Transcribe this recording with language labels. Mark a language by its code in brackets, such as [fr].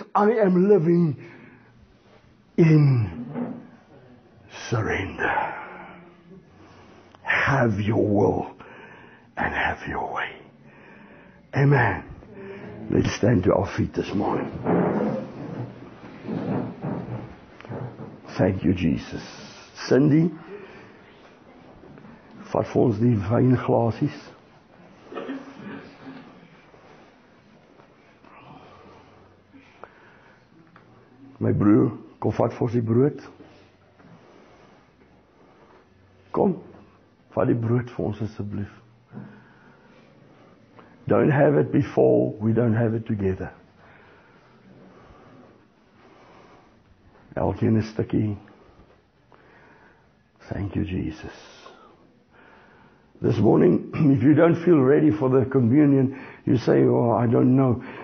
[en] I am living in surrender. Have your will and have your way. Amen. Let's stand to our feet this morning. Thank you, Jesus. [af] Cindy, vat vir ons die wynglasies. My broer, kom vat vir ons die brood. Kom, vat die brood vir ons asseblief. [en] don't have it before, we don't have it together. Elkin is sticky. Thank you, Jesus. This morning, if you don't feel ready for the communion, you say, oh, I don't know.